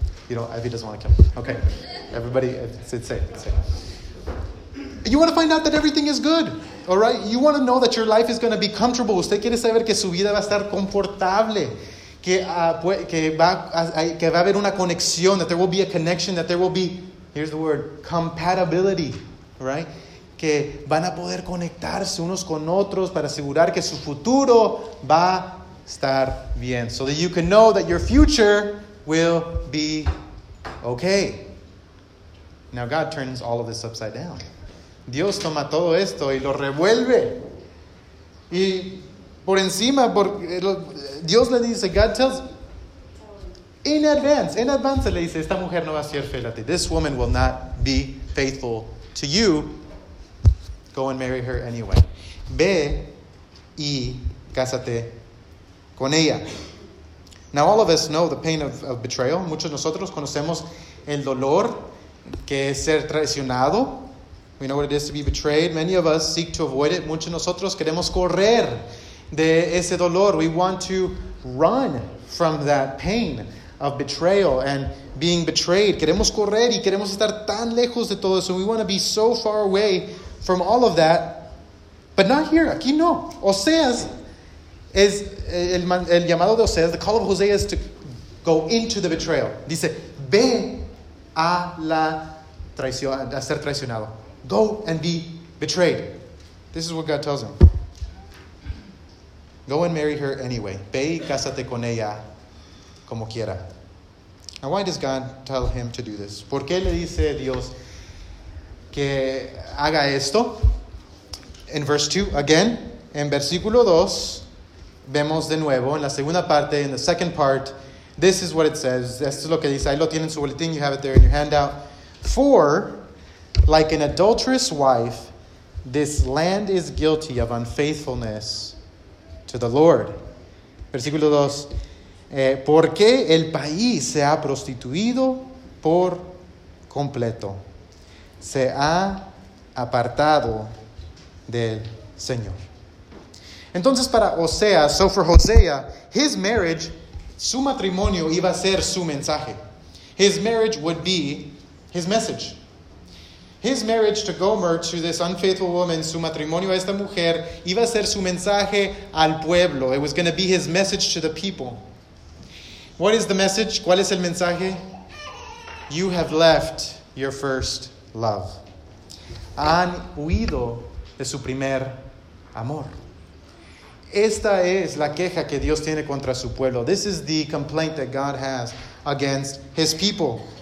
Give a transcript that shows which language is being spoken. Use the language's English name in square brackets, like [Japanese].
[English] You know, Ivy doesn't want to kill me. Okay. Everybody, it's safe. You want to find out that everything is good. All right? You want to know that your life is going to be comfortable. [Spanish] Usted quiere saber que su vida va a estar confortable. Que va a haber una conexión. [English] That there will be a connection. That there will be, here's the word, compatibility. Right? [Spanish] Que van a poder conectarse unos con otros para asegurar que su futuro va a estar bien. [English] So that you can know that your future will be okay. Now God turns all of this upside down. [Spanish] Dios toma todo esto y lo revuelve. Y por encima, Dios le dice, [English] God tells, in advance [Spanish] le dice, esta mujer no va a ser fiel a ti. [English] This woman will not be faithful to you. Go and marry her anyway. [Spanish] Ve y cásate con ella. [English] Now, all of us know the pain of betrayal. [Spanish] Muchos de nosotros conocemos el dolor que es ser traicionado. [English] We know what it is to be betrayed. Many of us seek to avoid it. [Spanish] Muchos de nosotros queremos correr de ese dolor. [English] We want to run from that pain of betrayal and being betrayed. [Spanish] Queremos correr y queremos estar tan lejos de todo eso. [English] We want to be so far away from all of that, but not here, [Spanish] aquí no. Oseas es el llamado de Oseas, [English] the call of Hosea is to go into the betrayal. [Spanish] Dice, ve a la traición, a ser traicionado. [English] Go and be betrayed. This is what God tells him. Go and marry her anyway. [Spanish] Ve y cásate con ella como quiera. [English] Now, why does God tell him to do this? [Spanish] ¿Por qué le dice Dios que haga esto? [English] In verse 2, again, [Spanish] en versículo 2, vemos de nuevo, en la segunda parte, [English] in the second part, this is what it says, [Spanish] esto es lo que dice, ahí lo tienen en su boletín, [English] you have it there in your handout. For, like an adulterous wife, this land is guilty of unfaithfulness to the Lord. [Spanish] Versículo 2, porque el país se ha prostituido por completo. se ha apartado del Señor. Entonces para Hosea, [English] so for Hosea, his marriage, [Spanish] su matrimonio iba a ser su mensaje. [English] His marriage would be his message. His marriage to Gomer, to this unfaithful woman, [Spanish] su matrimonio a esta mujer, iba a ser su mensaje al pueblo. [English] It was going to be his message to the people. What is the message? [Spanish] ¿Cuál es el mensaje? [English] You have left your first love. [Spanish] Han huido de su primer amor. Esta es la queja que Dios tiene contra su pueblo. [English] This is the complaint that God has against his people.